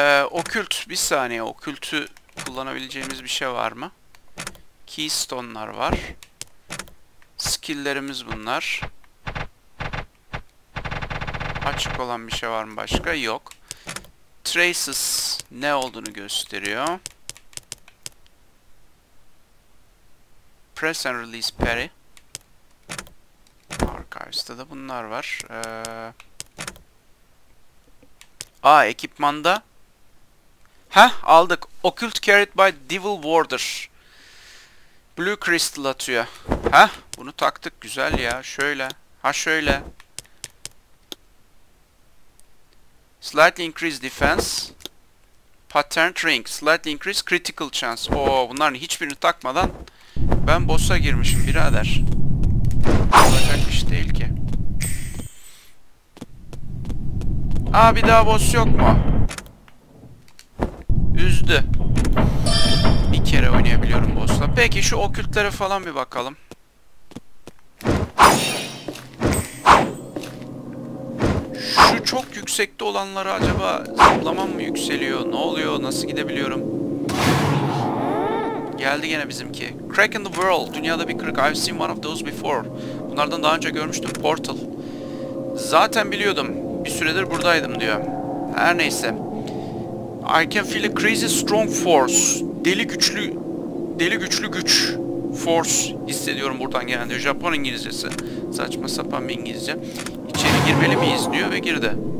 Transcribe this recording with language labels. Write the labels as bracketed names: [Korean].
[Turkish] Okült, bir saniye, okültü kullanabileceğimiz bir şey var mı? Keystone'lar var. Skill'lerimiz bunlar. Açık olan bir şey var mı başka? Yok. Traces ne olduğunu gösteriyor. Press and Release Parry. Archives'ta da bunlar var. Ekipmanda. Heh, aldık. Occult Carried by Devil Warder. Blue Crystal atıyor. Heh, bunu taktık. Güzel ya. Şöyle. Ha şöyle. [English] Slightly increased defense. Patterned ring. Slightly increased critical chance. [Turkish] Oo, bunların hiçbirini takmadan ben boss'a girmişim birader. Olacak iş değil ki. Aa, bir daha boss yok mu? Üzdü. Bir kere oynayabiliyorum boss'la. Peki şu okültlere falan bir bakalım. Şu çok yüksekte olanları acaba zıplamam mı yükseliyor? Ne oluyor? Nasıl gidebiliyorum? Geldi gene bizimki. Crack in the world. Dünyada bir kırık. [English] I've seen one of those before. [Turkish] Bunlardan daha önce görmüştüm. Portal. Zaten biliyordum. Bir süredir buradaydım diyor. Her neyse. [English] I can feel a crazy strong force. [Turkish] Deli güçlü güç. Force hissediyorum buradan gelen diyor. Japon İngilizcesi. Saçma sapan bir İngilizce. İçeri girmeli miyiz diyor ve girdi.